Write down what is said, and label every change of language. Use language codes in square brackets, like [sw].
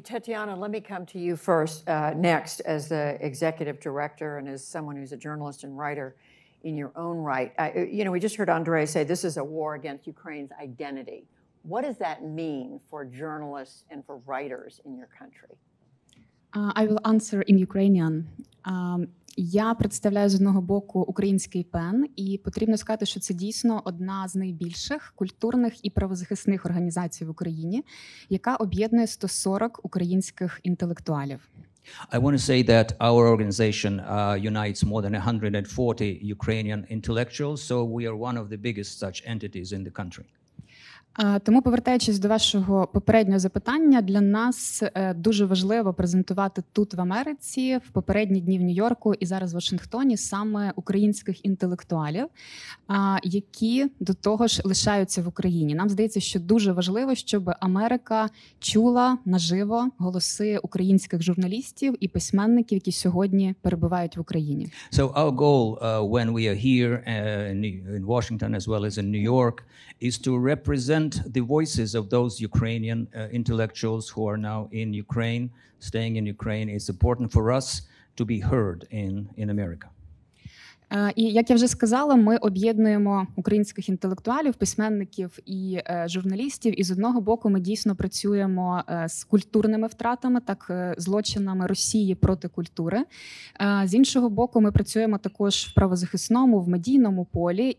[en] Tetyana, let me come to you first, next, as the executive director and as someone who's a journalist and writer in your own right. You know, we just heard Andriy say this is a war against Ukraine's identity. What does that mean for journalists and for writers in your country? I will answer in Ukrainian. [uk] Я представляю, з одного боку, український ПЕН, і потрібно сказати, що це дійсно одна з найбільших культурних і правозахисних організацій в Україні, яка об'єднує 140 українських інтелектуалів. [en] I want to say that our organization unites more than 140 Ukrainian intellectuals, so we are one of the biggest such entities in the country. [uk] Тому, повертаючись до вашого попереднього запитання, для нас дуже важливо презентувати тут, в Америці, в попередні дні в Нью-Йорку і зараз в Вашингтоні саме українських інтелектуалів, які до того ж лишаються в Україні. Нам здається, що дуже важливо, щоб Америка чула наживо голоси українських журналістів і письменників, які сьогодні перебувають в Україні. [en] So our goal when we are here in Washington as well as in New York is to represent the voices of those Ukrainian intellectuals who are now in Ukraine, staying in Ukraine. It's important for us to be heard in America. [uk] І як я вже сказала, ми об'єднуємо українських інтелектуалів, письменників і журналістів. І з одного боку, ми дійсно працюємо з культурними втратами, так злочинами Росії проти культури. З іншого боку, ми працюємо також в правозахисному, в медійному полі.